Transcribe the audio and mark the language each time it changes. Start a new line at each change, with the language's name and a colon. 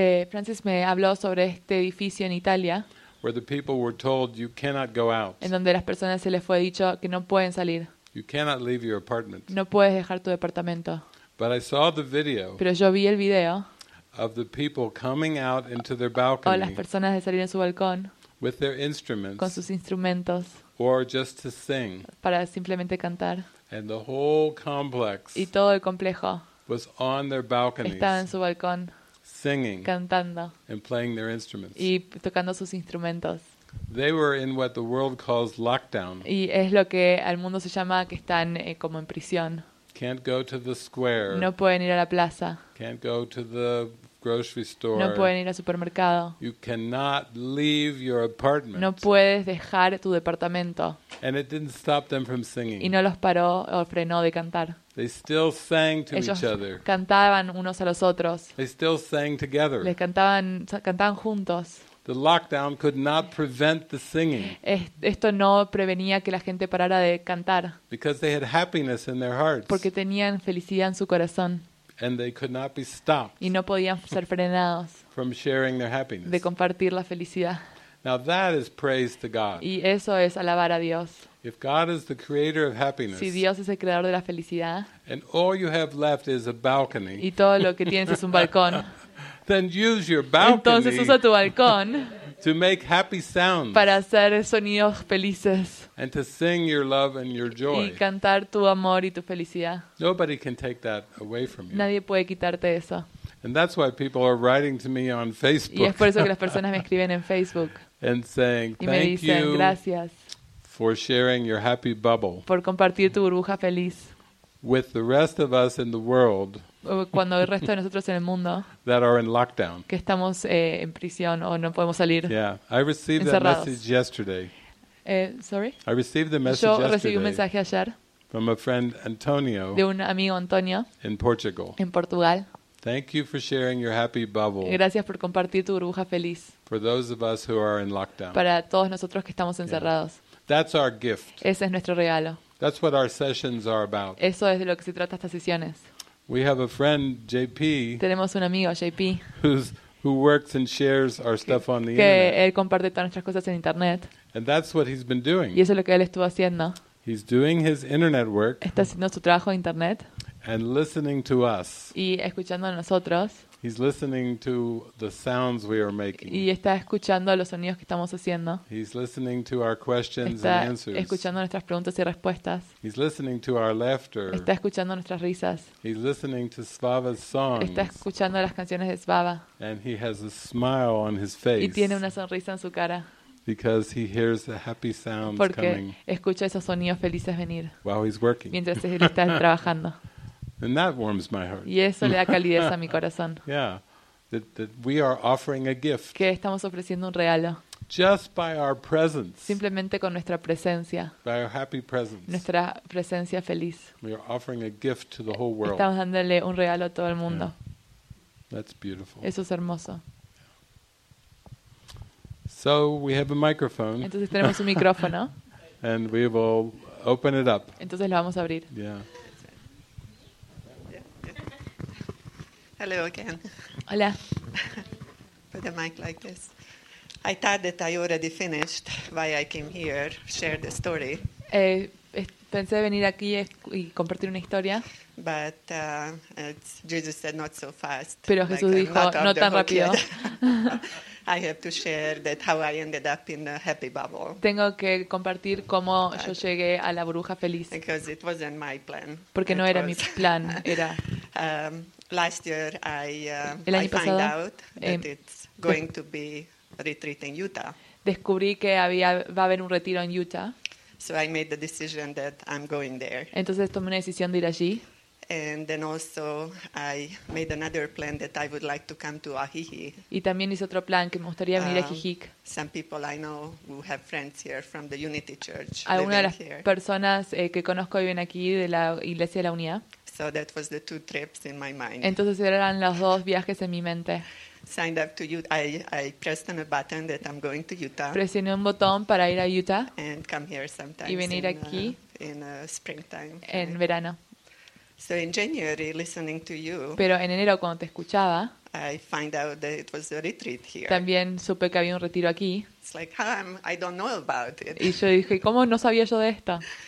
Spanish: Francis me habló sobre este edificio en Italia.
English: Where the people were told you cannot go out.
Spanish: En donde las personas se les fue dicho que no pueden salir.
English: You cannot leave your apartment.
Spanish: No puedes dejar tu departamento.
English: But I saw the video.
Spanish: Pero yo vi el video.
English: Of the people coming out into their balcony.
Spanish: O las personas de salir en su balcón.
English: With their instruments.
Spanish: Con sus instrumentos.
English: Or just to sing.
Spanish: Para simplemente cantar.
English: And the whole complex.
Spanish: Y todo el complejo.
English: Was on their balconies.
Spanish: Estaba en su balcón.
English: Singing.
Spanish: Cantando.
English: And playing their instruments.
Spanish: Y tocando sus instrumentos.
English: They were in what the world calls lockdown.
Spanish: Y es lo que al mundo se llama que están como en prisión.
English: Can't go to the square.
Spanish: No pueden ir a la plaza.
English: Can't go to the grocery store.
Spanish: No pueden ir al supermercado.
English: You cannot leave your apartment.
Spanish: No puedes dejar tu departamento.
English: And it didn't stop them from singing.
Spanish: Y no los paró o frenó de cantar.
English: They still sang to
Spanish: Ellos
English: each other.
Spanish: Cantaban unos a los otros.
English: They still sang together.
Spanish: Les cantaban juntos.
English: The lockdown could not prevent the singing.
Spanish: Esto no prevenía que la gente parara de cantar.
English: Because they had happiness in their hearts.
Spanish: Porque tenían felicidad en su corazón.
English: And they could not be stopped.
Spanish: Y no podían ser frenados.
English: From sharing their happiness.
Spanish: De compartir la felicidad.
English: Now that is praise to God.
Spanish: Y eso es alabar a Dios.
English: If God is the creator of happiness.
Spanish: Si Dios es el creador de la felicidad.
English: And all you have left is a balcony.
Spanish: Y todo lo que tienes es un balcón.
English: Then use your balcony.
Spanish: Entonces usa tu balcón.
English: To make happy sounds.
Spanish: Para hacer sonidos felices.
English: And to sing your love and your joy.
Spanish: Y cantar tu amor y tu felicidad.
English: Nobody can take that away from you.
Spanish: Nadie puede quitarte eso.
English: And that's why people are writing to me on Facebook.
Spanish: Y es por eso que las personas me escriben en Facebook.
English: And saying
Spanish: y me
English: thank
Spanish: dicen,
English: you
Spanish: gracias
English: for sharing your happy bubble.
Spanish: Por compartir tu burbuja feliz.
English: With the rest of us in the world.
Spanish: Cuando el resto de nosotros en el mundo
English: that are in lockdown.
Spanish: Que estamos en prisión o no podemos salir.
English: Yeah, I received
Spanish: encerrados.
English: That message yesterday. Sorry. I received the message yesterday.
Spanish: Yo recibí un mensaje ayer.
English: From a friend Antonio.
Spanish: De un amigo Antonio.
English: In Portugal.
Spanish: En Portugal.
English: Thank you for sharing your happy bubble.
Spanish: Gracias por compartir tu burbuja feliz.
English: For those of us who are in lockdown.
Spanish: Para todos nosotros que estamos encerrados.
English: Yeah. That's our gift.
Spanish: Ese es nuestro regalo.
English: That's what our sessions are about.
Spanish: Eso es de lo que se trata estas sesiones.
English: We have a friend JP.
Spanish: Tenemos un amigo JP.
English: Who works and shares our stuff on the
Spanish: que
English: internet.
Spanish: Que él comparte todas nuestras cosas en internet.
English: And that's what he's been doing.
Spanish: Y eso es lo que él estuvo haciendo.
English: He's doing his internet work.
Spanish: Está haciendo su trabajo en internet.
English: And listening to us.
Spanish: Y escuchando a nosotros.
English: He's listening to the sounds we are making.
Spanish: Y está escuchando los sonidos que estamos haciendo.
English: He's listening to our questions
Spanish: está
English: and answers.
Spanish: Escuchando nuestras preguntas y respuestas.
English: He's listening to our laughter.
Spanish: Está escuchando nuestras risas.
English: He's listening to Svava's songs.
Spanish: Está escuchando las canciones de Svava.
English: And he has a smile on his face.
Spanish: Y tiene una sonrisa en su cara.
English: Because he hears the happy sounds
Spanish: porque
English: coming.
Spanish: Porque escucha esos sonidos felices venir.
English: While he's working.
Spanish: Mientras él está trabajando.
English: And that warms my heart.
Spanish: Y eso le da calidez a mi corazón.
English: Yeah, that we are offering a gift.
Spanish: Que estamos ofreciendo un regalo.
English: Just by our presence.
Spanish: Simplemente con nuestra presencia.
English: By our happy presence.
Spanish: Nuestra presencia feliz.
English: We are offering a gift to the whole world.
Spanish: Estamos dándole un regalo a todo el mundo.
English: Yeah. That's beautiful.
Spanish: Eso es hermoso.
English: So we have a microphone.
Spanish: Entonces tenemos un micrófono.
English: And we will open it up.
Spanish: Entonces lo vamos a abrir.
English: Yeah. Hello again.
Spanish: Hola.
English: Put the mic like this. I thought that I already finished why I came here, share the story.
Spanish: Pensé venir aquí y compartir una historia.
English: But Jesus said not so fast.
Spanish: Pero Jesús dijo, no tan rápido.
English: I have to share that how I ended up in a happy bubble.
Spanish: Tengo que compartir cómo yo llegué a la burbuja feliz.
English: Because it wasn't my plan.
Spanish: Porque no era mi plan, era...
English: Last year I found out that it's going to be a retreat in Utah.
Spanish: Descubrí que va a haber un retiro en Utah.
English: So I made the decision that I'm going there.
Spanish: Entonces tomé una decisión de ir allí.
English: And then also I made another plan that I would like to come to Ajijic.
Spanish: Y también hice otro plan que me gustaría venir a Ajijic.
English: Some people I know who have friends here from the Unity Church.
Spanish: Algunas de las personas que conozco viven aquí de la Iglesia de la Unidad.
English: So that was the two trips in my mind.
Spanish: Entonces eran los dos viajes en mi mente.
English: Signed up to Utah. I pressed on a button that I'm going to Utah.
Spanish: Presioné un botón para ir a Utah.
English: And come here sometime.
Spanish: Y venir aquí
English: in springtime.
Spanish: En verano.
English: So in January, listening to you.
Spanish: Pero en enero cuando te escuchaba.
English: I find out that it was a retreat here.
Spanish: También supe que había un retiro aquí.
English: It's like, I don't know about it.
Spanish: Y yo dije, ¿cómo no sabía yo de esto?